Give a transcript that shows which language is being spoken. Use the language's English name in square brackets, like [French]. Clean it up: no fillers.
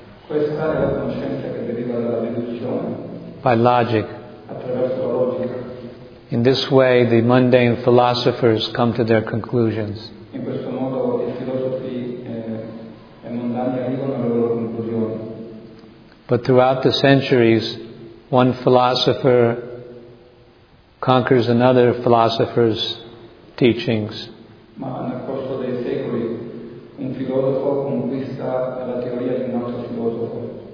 [Italian] Questa è la conoscenza che deriva dalla deduzione. [English] By logic. [Italian] Attraverso la logica. [English] In this way, the mundane philosophers come to their conclusions. [Italian] In questo modo i filosofi mondani arrivano alle loro conclusioni. [English] But throughout the centuries, one philosopher conquers another philosopher's teachings. [Italian] Ma nel corso dei secoli un filosofo conquista la teoria di un altro filosofo